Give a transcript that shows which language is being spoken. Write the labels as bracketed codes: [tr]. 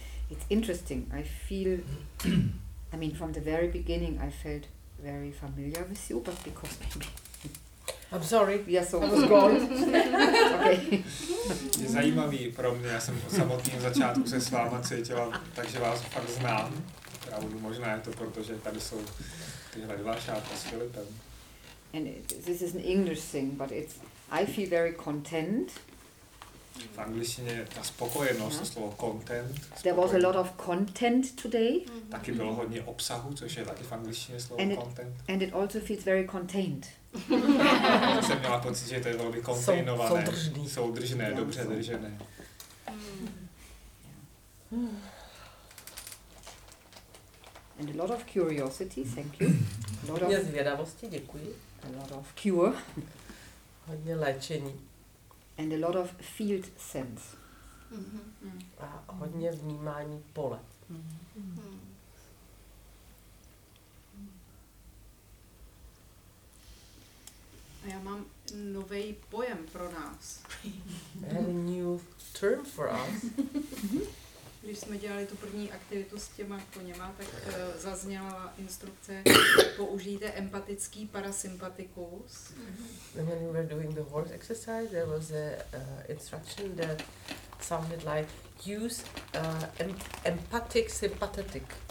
[en] It's interesting. I feel, I mean, from the very beginning I felt very familiar with you, but because maybe I'm sorry, yes, I was gone. Okay. [cs] Je zajímavý pro mě, já jsem od samotného začátku se s váma cítila, takže vás fakt znám. Pravdu, možná je to proto, že tady jsou tyhle dva šátka s Filipem. [en] And this is an English thing, but it's, I feel very content. [cs] V angličtině je ta spokojenost, yeah. Slovo content. Spokojenost. [en] There was a lot of content today. Mm-hmm. [cs] Taky bylo hodně obsahu, což je taky v angličtině slovo [en] and content. And it also feels very contained. [cs] Já jsem měla pocit, že to je velmi kontejnované, soudržný. Soudržné, yeah, dobře so. Držené. Yeah. [en] And a lot of curiosity, thank you. [cs] Hodně zvědavosti, děkuji. [en] A lot of cure. [cs] Hodně léčení. [en] And a lot of field sense. [cs] Mm-hmm. A hodně vnímání pole. Mm-hmm. A já mám nový pojem pro nás. [en] A new term for us. [cs] Když jsme dělali tu první aktivitu s těma koněma, tak zazněla instrukce, použijte empatický parasympatikus. [en] When we were doing the horse exercise, there was a instruction that sounded like use empathic sympathetic.